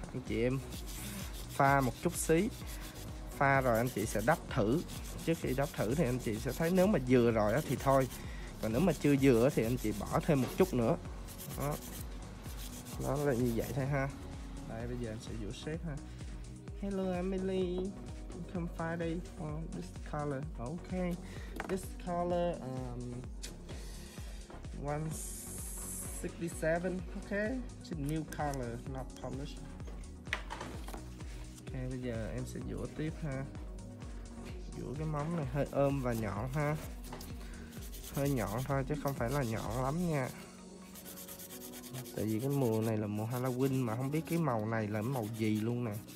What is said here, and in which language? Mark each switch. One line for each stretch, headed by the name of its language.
Vietnamese: Anh chị em pha một chút xí, pha rồi anh chị sẽ đắp thử. Trước khi đắp thử thì anh chị sẽ thấy nếu mà vừa rồi thì thôi, còn nếu mà chưa vừa thì anh chị bỏ thêm một chút nữa. Đó, nó là như vậy thôi ha. Đây bây giờ em sẽ vỗ xếp ha.
English: Hello Emily, come Friday for this color. Ok, this color 167. Ok, it's a new color, not polished.
Vietnamese: Ok, bây giờ em sẽ vỗ tiếp ha. Giữa cái móng này hơi ôm và nhọn ha. Hơi nhọn thôi chứ không phải là nhọn lắm nha. Tại vì cái mùa này là mùa Halloween mà không biết cái màu này là màu gì luôn nè.